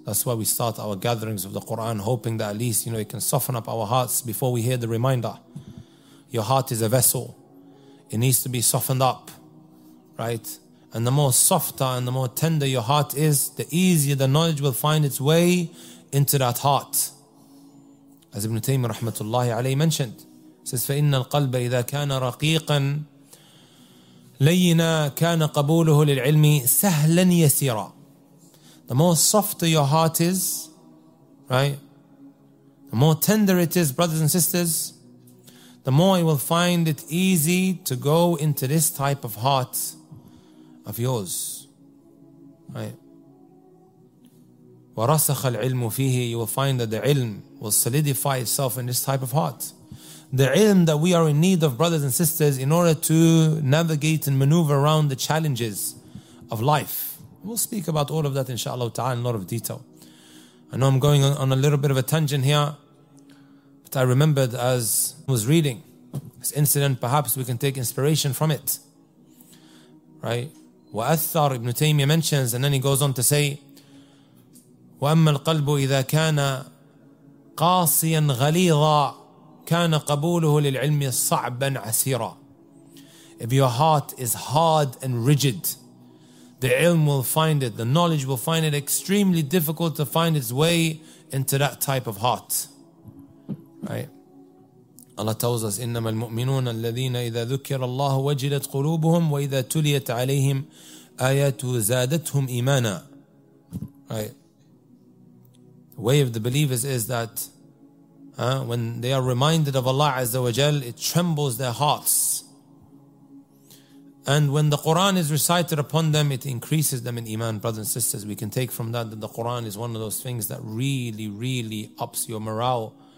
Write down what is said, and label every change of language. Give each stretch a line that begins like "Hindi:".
English: That's why we start our gatherings of the Quran, hoping that at least, you know, it can soften up our hearts before we hear the reminder. Your heart is a vessel, it needs to be softened up. Right, and the more softer and the more tender your heart is, the easier the knowledge will find its way into that heart. As Ibn Taymiyyah rahmatullahi alayhi mentioned, says,
Arabic: فَإِنَّ الْقَلْبَ إِذَا كَانَ رَقِيقًا لَيِّنَا كَانَ قَبُولُهُ لِلْعِلْمِ سَهْلًا يَسِيرًا.
English: The more softer your heart is, right? The more tender it is, brothers and sisters, the more you will find it easy to go into this type of heart of yours. Right?
Arabic: وَرَسَخَ الْعِلْمُ فِيهِ.
English: You will find that the ilm will solidify itself in this type of heart. The ilm that we are in need of, brothers and sisters, in order to navigate and maneuver around the challenges of life. We'll speak about all of that, inshallah ta'ala, in a lot of detail. I know I'm going on a little bit of a tangent here, but I remembered as I was reading this incident, perhaps we can take inspiration from it. Right?
Arabic: وَأَثَّرْ,
English: Ibn Taymiyyah mentions, and then he goes on to say,
Arabic: وَأَمَّا الْقَلْبُ إِذَا كَانَ قَاسِيًا غَلِيظًا كَانَ قَبُولُهُ لِلْعِلْمِ صَعْبًا عَسِيرًا.
English: If your heart is hard and rigid, the ilm will find it, the knowledge will find it extremely difficult to find its way into that type of heart. Right? Allah tells us,
Arabic: إِنَّمَا الْمُؤْمِنُونَ الَّذِينَ إِذَا ذُكِّرَ اللَّهُ وَجِلَتْ قُلُوبُهُمْ وَإِذَا تُلِيَتْ عَلَيْهِمْ آيَاتُ زَادَتْهُمْ إِيمَانًا.
English: Right? The way of the believers is that when they are reminded of Allah Azza wa Jal, it trembles their hearts. And when the Quran is recited upon them, it increases them in iman, brothers and sisters. We can take from that that the Quran is one of those things that really, really ups your morale.